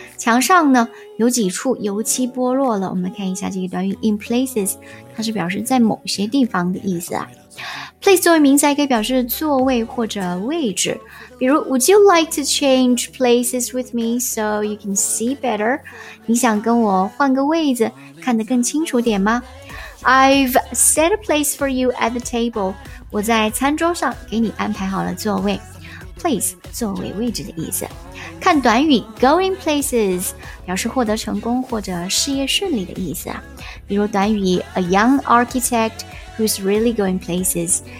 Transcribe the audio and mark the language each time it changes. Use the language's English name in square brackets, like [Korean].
[Chinese] 墙上呢有几处油漆剥落了。我们来看一下这个短语 [English] in places， [Chinese] 它是表示在某些地方的意思啊。 [English] Place [Chinese] 作为名词还可以表示座位或者位置，比如 [English] Would you like to change places with me so you can see better? [Chinese] 你想跟我换个位子，看得更清楚点吗？ [English] I've set a place for you at the table. [Chinese] 我在餐桌上给你安排好了座位。 Place 作为位置的意思。看短语 [English] going places [Chinese] 表示获得成功或者事业顺利的意思啊。比如短语 [English] a young architect. Who's really going places?